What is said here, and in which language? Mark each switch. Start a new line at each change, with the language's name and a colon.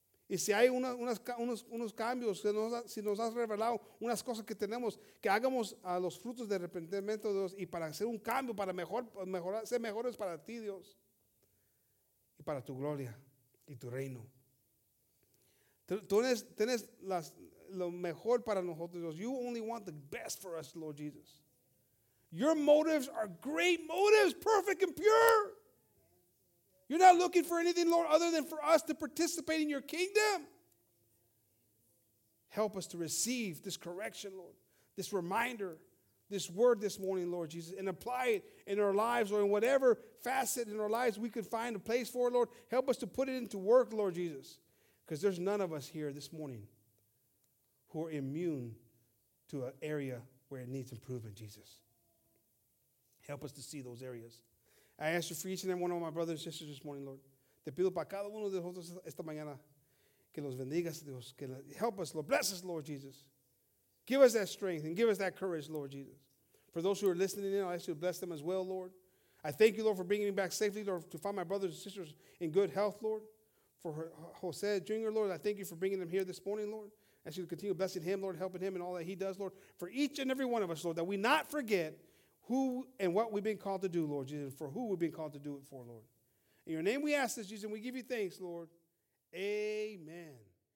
Spanish: Y si hay unos cambios, si nos has revelado unas cosas que tenemos, que hagamos a los frutos de arrepentimiento, Dios, y para hacer un cambio, para mejorar, ser mejores para ti, Dios, y para tu gloria y tu reino. Tú tienes lo mejor para nosotros, Dios.
English: You only want the best for us, Lord Jesus. Your motives are great motives, perfect and pure. You're not looking for anything, Lord, other than for us to participate in your kingdom. Help us to receive this correction, Lord, this reminder, this word this morning, Lord Jesus, and apply it in our lives or in whatever facet in our lives we could find a place for, Lord. Help us to put it into work, Lord Jesus, because there's none of us here this morning who are immune to an area where it needs improvement, Jesus. Help us to see those areas. I ask you for each and every one of my brothers and sisters this morning, Lord.
Spanish: Te pido para cada uno de nosotros esta mañana que los bendigas, Dios.
English: Que help us, Lord. Bless us, Lord Jesus. Give us that strength and give us that courage, Lord Jesus. For those who are listening in, I ask you to bless them as well, Lord. I thank you, Lord, for bringing me back safely, Lord, to find my brothers and sisters in good health, Lord. for Jose Jr., Lord. I thank you for bringing him here this morning, Lord. As you continue blessing him, Lord, helping him in all that he does, Lord. For each and every one of us, Lord, that we not forget who and what we've been called to do, Lord Jesus, and for who we've been called to do it for, Lord. In your name we ask this, Jesus, and we give you thanks, Lord. Amen.